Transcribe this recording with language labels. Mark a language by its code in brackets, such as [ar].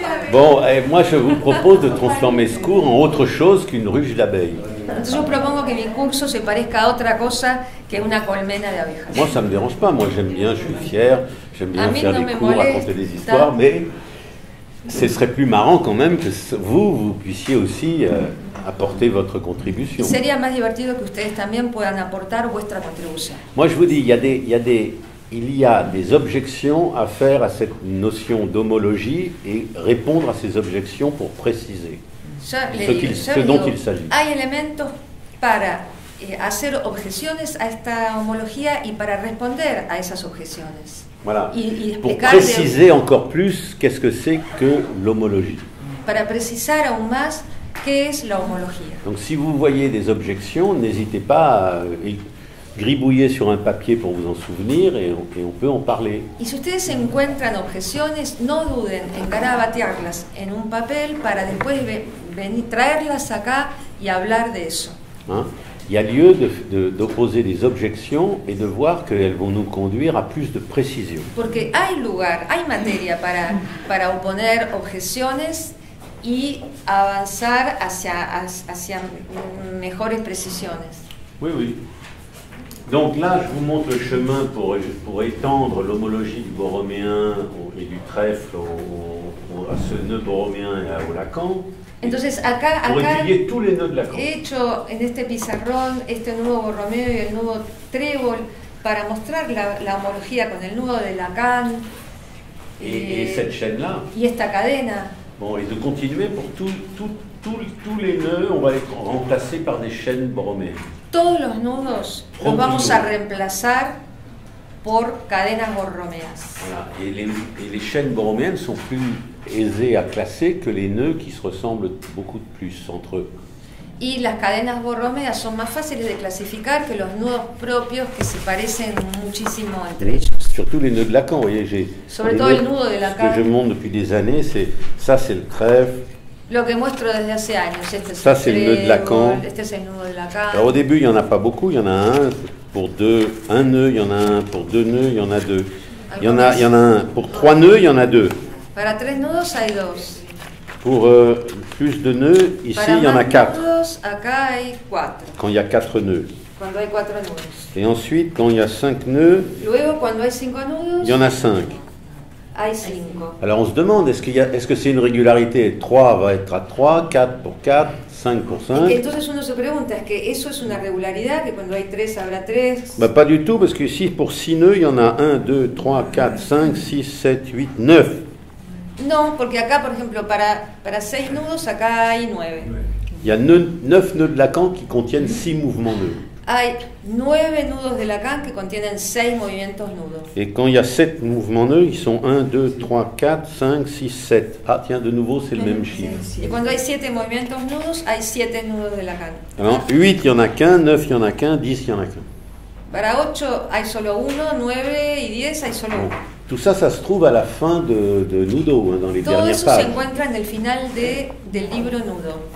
[fr] Bon, et moi je vous propose de transformer ce cours en autre chose qu'une ruche d'abeilles. [es] Entonces, yo propongo que mi curso se parezca a otra cosa que una colmena de abejas. [fr] Moi ça me dérange pas, moi j'aime bien, je suis fier, j'aime bien faire des cours, raconter des histoires, mais ce serait plus marrant quand même que vous puissiez aussi apporter votre contribution. [es] Sería más divertido que ustedes también puedan aportar vuestra contribución. [fr] Moi, je vous dis, il y a des objections à faire à cette notion d'homologie et répondre à ces objections pour préciser ce dont il s'agit. [es] Hay elementos para hacer objeciones a esta homología y para responder a esas objeciones. [fr] Voilà. Y pour préciser encore plus qu'est-ce que c'est que l'homologie. [es] Para precisar aún más qué es la homología. [fr] Donc si vous voyez des objections, n'hésitez pas à gribouiller sur un papier pour vous en souvenir et on peut en parler. [es] Y si ustedes encuentran objeciones, no duden en garabatearlas en un papel para después venir traerlas acá y hablar de eso. [fr] Hein? Il y a lieu d'opposer des objections et de voir qu'elles vont nous conduire à plus de précision. [es] Porque hay lugar, hay materia para oponer objeciones y avanzar hacia mejores precisiones. [fr] Oui, oui. Donc là, je vous montre le chemin pour étendre l'homologie du borroméen et du trèfle à ce nœud borroméen et au Lacan. [es] Entonces acá [fr] tous les nœuds de Lacan. [es] He hecho en este pizarrón este nuevo borromeo y el nuevo trébol para mostrar la homología con el nudo de Lacan. [fr] Et cette chaîne-là. [es] Y esta cadena. [fr] Bon, et de continuer pour tous les nœuds, on va les remplacer par des chaînes borroméennes. [es] Todos los nudos los vamos a reemplazar por cadenas borromeas. [fr] Voilà. Et les chaînes borroméennes sont plus aisées à classer que les nœuds qui se ressemblent beaucoup plus entre eux. [es] Y las cadenas borromeas son más fáciles de clasificar que los nudos propios que se parecen muchísimo entre ellos. [fr] Surtout les nœuds de Lacan, voyez, j'ai. [es] Sobre todo el nudo de Lacan. [fr] Ce que je montre depuis des années, c'est ça, c'est le trèfle. [es] Lo que muestro desde hace años, [fr] ça, c'est le nœud de Lacan. [es] Este es el nudo de Lacan. [fr] Alors, au début, il n'y en a pas beaucoup. Il y en a un pour deux. Un nœud, il y en a un. Pour deux nœuds, il y en a deux. Il y en a un. Pour trois nœuds, il y en a deux. [es] Para tres nudos, hay dos. [fr] Pour plus de nœuds, ici, il y en a quatre. [es] Nudos, acá hay cuatro. [fr] Quand il y a quatre nœuds. [es] Cuando hay cuatro nudos. [fr] Et ensuite, quand il y a cinq nœuds, [es] luego, cuando hay cinco nudos, [fr] il y en a cinq. [es] Hay cinco. [fr] Alors on se demande, est-ce que c'est une régularité? 3 va être à 3, 4 pour 4, 5 pour 5. [es] Et entonces uno se pregunta, [fr] est-ce que [es] eso es una regularidad, que cuando hay 3 habrá 3? [fr] Bah, pas du tout, parce que ici pour 6 nœuds, il y en a 1, 2, 3, 4, 5, 6, 7, 8, 9. [es] Non, porque acá, por ejemplo, para 6 nudos, acá hay 9. [fr] Il y a 9 nœuds de Lacan qui contiennent 6 mouvements nœuds. [es] Hay 9 nudos de Lacan que contienen 6 movimientos nudos. [fr] Et quand il y a 7 mouvements nœuds, ils sont 1, 2, 3, 4, 5, 6, 7. Ah tiens, de nouveau, c'est le même chiffre. Et quand il y a [es] 7 movimientos nudos, hay 7 nudos de Lacan. [fr] Alors, 8, il n'y en a qu'un, 9, il n'y en a qu'un, 10, il n'y en a qu'un. [es] Para 8, hay solo 1, 9 y 10, hay solo 1. [fr] Tout ça, ça se trouve à la fin de Nudo, hein, dans les [es] Todo [fr] dernières pages. Tout [es] ça se encuentra en el final del libro Nudo.